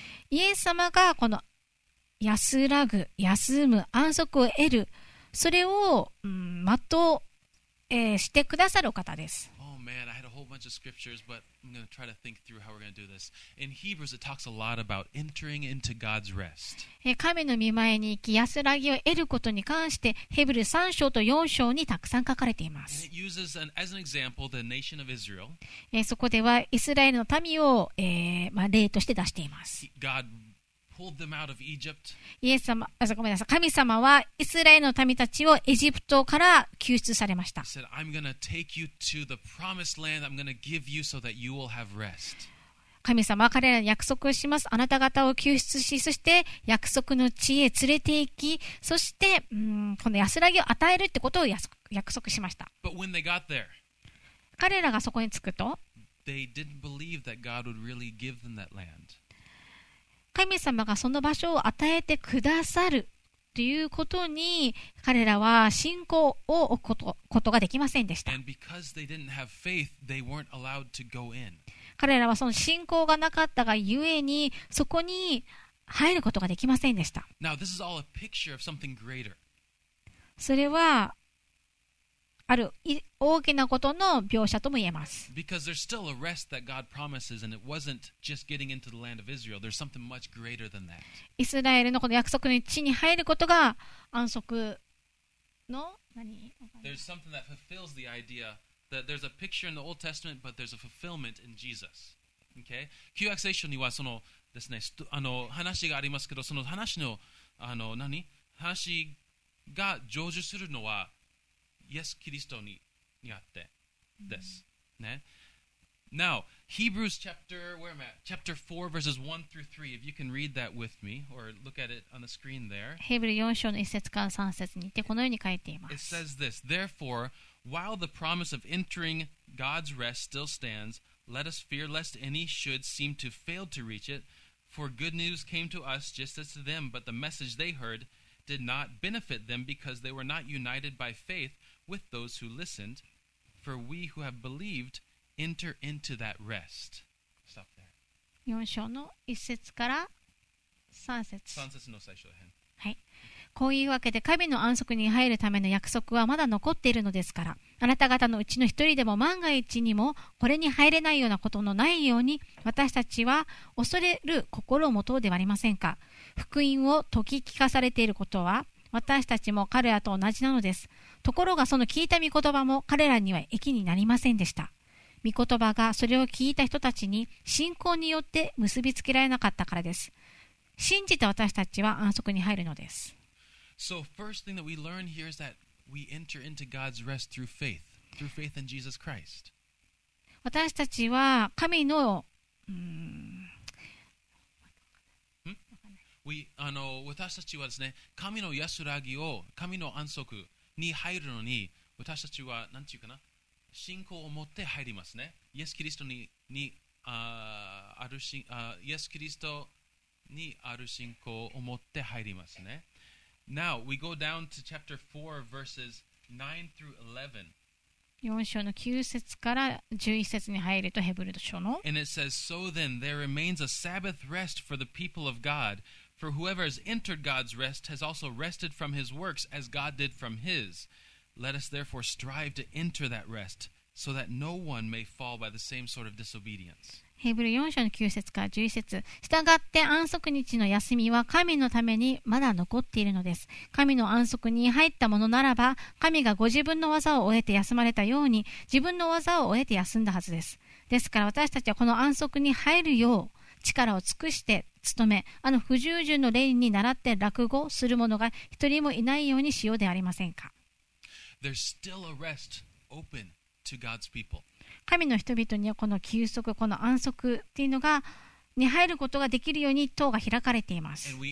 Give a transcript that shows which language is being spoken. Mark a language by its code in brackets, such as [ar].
[ja] イエス様がこの安らぐ、休む、安息を得る、それを、全う、してくださるお方です。 [en] Oh man, I had a whole bunch of scriptures, but I'm going to try to think through how we're going to do this. In Hebrews, it talks a lot about entering into God's rest. [ja] 神の御前に行き、安らぎを得ることに関して、ヘブル3章と4章にたくさん書かれています。 [en] And it uses an, as an example, the nation of Israel. [ja] そこでは、イスラエルの民を、まあ、例として出しています。 [en] God pulled them out of Egypt. [ja] イエス様、ごめんなさい。神様は、イスラエルの民たちをエジプトから救出されました。 [en] He said, I'm going to take you to the promised land. I'm going to give you so that you will have rest. [ja] 神様は彼らに約束をします。あなた方を救出し、そして約束の地へ連れて行き、そして、この安らぎを与えるってことを約束しました。 [en] But when they got there, [ja] 彼らがそこに着くと、 [en] they didn't believe that God would really give them that land. [ja] 神様がその場所を与えてくださるということに彼らは信仰を置くことができませんでした。 [en] And because they didn't have faith, they weren't allowed to go in. [ja] 彼らはその信仰がなかったがゆえにそこに入ることができませんでした。 [en] Now, this is all a picture of something greater. [ja] それはある大きなことの描写とも言えます。 [en] Because there's still a rest that God promises, and it wasn't just getting into the land of Israel. There's something much greater than that. [ja] イスラエルのこの約束の地に入ることが安息の何 [en] ？There's something that fulfills the idea that there's a picture in the Old Testament, but there's a fulfillment in Jesus. Okay? [ja] 旧約聖書にはそのですね、話がありますけど、その話の何？話が成就するのはイエス・キリストにあってです、ね。 [en] Now, Hebrews chapter, where am I? Chapter 4, verses 1 through 3. If you can read that with me, or look at it on the screen there. [ja] ヘブル4章の1節から3節にて、このように書いています。 [en] It says this, Therefore, while the promise of entering God's rest still stands, let us fear lest any should seem to fail to reach it. For good news came to us just as to them, but the message they heard did not benefit them because they were not united by faith with those who listened. For we who have believed enter into that rest. Stop there. [ja] 4章の1節から3節。 3節の最初編。はい。こういうわけで神の安息に入るための約束はまだ残っているのですから、あなた方のうちの一人でも万が一にもこれに入れないようなことのないように、私たちは恐れる心を持とうではありませんか。福音を説き聞かされていることは、私たちも彼らと同じなのです。ところがその聞いた御言葉も彼らには益になりませんでした。御言葉がそれを聞いた人たちに信仰によって結びつけられなかったからです。信じた私たちは安息に入るのです。 [en] So first thing that we learn here is that we enter into God's rest through faith in Jesus Christ. [ja] 私たちは神の、私たちはですね、神の安らぎを、神の安息に入るのに、私たちはなんていうかな、信仰を持って入りますね。イエス・キリストにある信、イエス・キリストにある信仰を持って入りますね。 [en] Now we go down to chapter 4, verses 9 through 11. [ja] 4章の9節から11節に入るとヘブル書の。 [en] And it says, So then there remains a Sabbath rest for the people of God. For whoever has entered God's rest has also rested from his works as God did from his. Let us therefore strive to enter that rest so that no one may fall by the same sort of disobedience. [ja] ヘブル4章の9節から11節。従って安息日の休みは神のためにまだ残っているのです。神の安息に入ったものならば、神がご自分の技を終えて休まれたように、自分の技を終えて休んだはずです。ですから私たちはこの安息に入るよう、力を尽くして努め、あの不従順の霊に倣って落語する者が一人もいないようにしようではありませんか。 [en] There's still a rest open to God's people. [ja] 神の人々にはこの休息、この安息っていうのがに入ることができるように塔が開かれています。